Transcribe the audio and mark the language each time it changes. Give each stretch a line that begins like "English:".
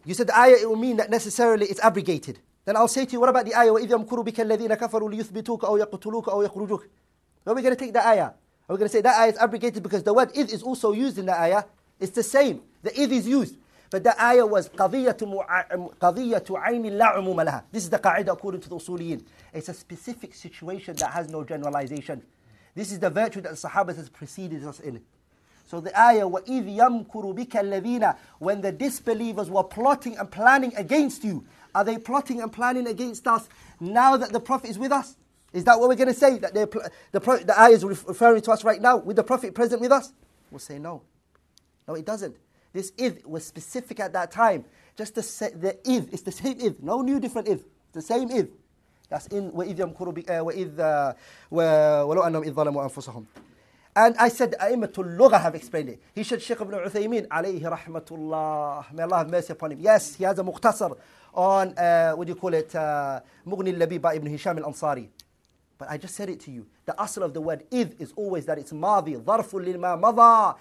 English: You said the ayah, it will mean that necessarily it's abrogated. Then I'll say to you, what about the ayah?
Arabic: وَإِذْ يَمْكُرُ بِكَ الَّذِينَ كَفَرُوا لِيُثْبِتُوكَ أَوْ يَقْتُلُوكَ أَوْ يَخْرُجُوكَ.
English: Where are we going to take the ayah? Are we going to say that ayah is abrogated because the word إِذْ is also used in the ayah? It's the same. The إِذْ is used. But the ayah was
Arabic: قَضِيَّةُ عَيْنِ لَا عُمُومَ لَهَا.
English: This is the qa'idah according to the usuliyin. It's a specific situation that has no generalization. This is the virtue that the Sahaba has preceded us in. So the ayah,
Arabic: وَإِذْ يَمْكُرُ بِكَ الَّذِينَ.
English: When the disbelievers were plotting and planning against you. Are they plotting and planning against us now that the Prophet is with us? Is that what we're going to say? That the ayah is referring to us right now with the Prophet present with us? We'll say no. No, it doesn't. This idh was specific at that time. Just the idh, it's the same idh. No new different idh. The same idh. That's in
Arabic: وَإِذْ يَمْكُرُ بِكَ وَلَوْ أَنَّهُمْ إِذْ ظَلَمُوا أَنفُسَهُمْ.
English: And I said,
Arabic: أَئِمَّةُ اللُّغَةِ
English: have explained it. He said, Shaykh ibn Uthaymeen,
Arabic: عَلَيْهِ رَحْمَةُ اللَّهِ.
English: May Allah have mercy upon him. Yes, he has a muqtasar on, Mughni al-Labib by Ibn Hisham al-Ansari. But I just said it to you. The asl of the word idh is always that it's madhi,
Arabic: ظَرْفٌ لِلْمَا مَضَى.